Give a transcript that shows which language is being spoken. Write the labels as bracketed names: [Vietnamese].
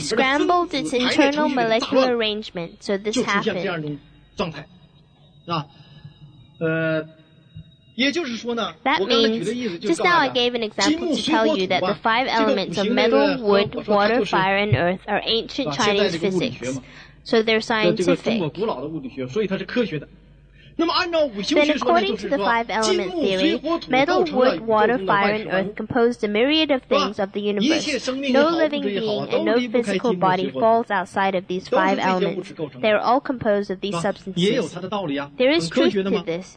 [English] 面的 I scrambled its internal molecular arrangement, so this happened. [Chinese] 就出现这样一种状态，啊，也就是说呢， [English] that means, just now I gave an example to tell you that the five elements of metal, wood, water, fire, and earth are ancient Chinese physics. So they're scientific. [Chinese] 这个中国古老的物理学，所以它是科学的。那么按照五行学说呢， [English] Then according to the five element theory, metal, wood, water, fire, and earth compose a myriad of things of the universe. No living being and no physical body falls outside of these five elements. They are all composed of these substances. There is truth to this.